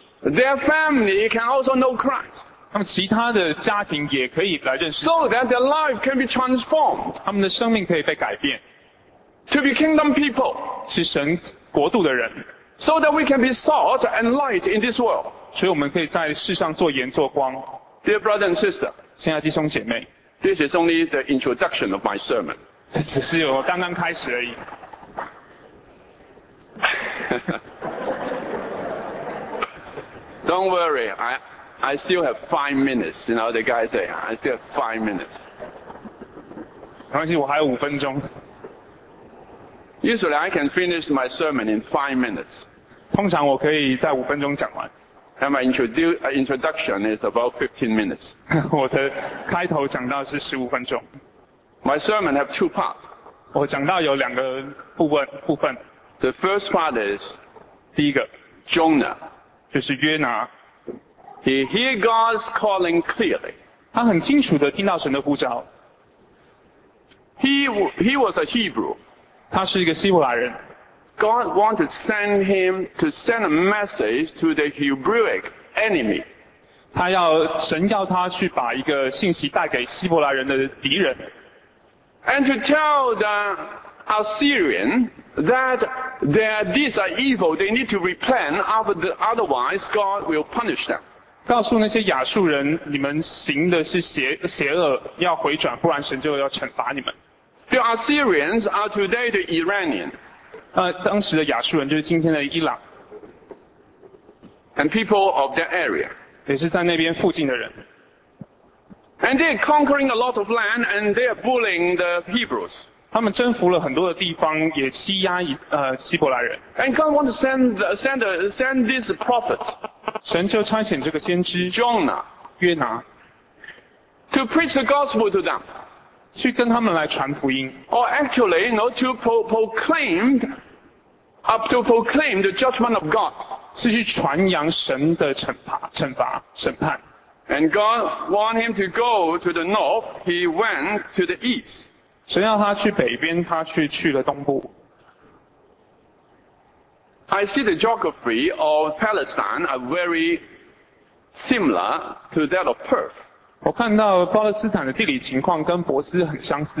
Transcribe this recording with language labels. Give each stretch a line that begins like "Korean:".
English: Their family can also know Christ
Chinese: 他们其他的家庭也可以来认识
English: So that their life can be transformed
Chinese: 他们的生命可以被改变
English: To be kingdom people
Chinese: 是神国度的人
English: So that we can be salt and light in this world
Chinese: 所以我们可以在世上做盐做光
English: Dear brother and sister
Chinese: 亲爱的弟兄姐妹
English: This is only the introduction of my sermon
Chinese: 这只是我刚刚开始而已
English: Don't worry I still have 5 minutes, you know, the guy said, I still have 5 minutes.
Chinese: 没关系我还有五分钟。
English: Usually I can finish my sermon in 5 minutes.
Chinese: 通常我可以在五分钟讲完。
English: And my introduction is about 15 minutes.
Chinese: 我的开头讲到是15分钟。
English: My sermon have two parts.
Chinese: 我讲到有两个部分。
English: The first part is,
Chinese: 第一个
English: Jonah.
Chinese: 就是约拿。
English: He hear God's calling clearly.
Chinese: 他很清楚地听到神的呼召。
English: He was a Hebrew.
Chinese: 他是一个希伯来人。
English: God wanted to send him to send a message to the Hebrewic enemy.
Chinese: 神要他去把一个信息带给希伯来人的敌人。
English: And to tell the Assyrian that their deeds are evil, they need to repent, otherwise God will punish them.
Chinese: 告诉那些亚述人你们行的是邪恶要回转不然神就要惩罚你们
English: The Assyrians are today the Iranian
Chinese: 当时的亚述人就是今天的伊朗
English: And people of that area
Chinese: 也是在那边附近的人
English: And they are conquering a lot of land and they are bullying the Hebrews
Chinese: 他们征服了很多的地方也欺压希伯来人
English: And God wants to send this prophet
Chinese: 神就差遣这个先知
English: Jonah
Chinese: 约拿
English: to preach the gospel to them
Chinese: 去跟他们来传福音
English: or actually you know, to proclaim up to proclaim the judgment of God.
Chinese: 是去传扬神的审判。
English: And God want him to go to the north, he went to the east.
Chinese: 神要他去北边，他去了东部。
English: I see the geography of Palestine are very similar to that of Perth.
Chinese: 我看到巴勒斯坦的地理情况跟珀斯很相似。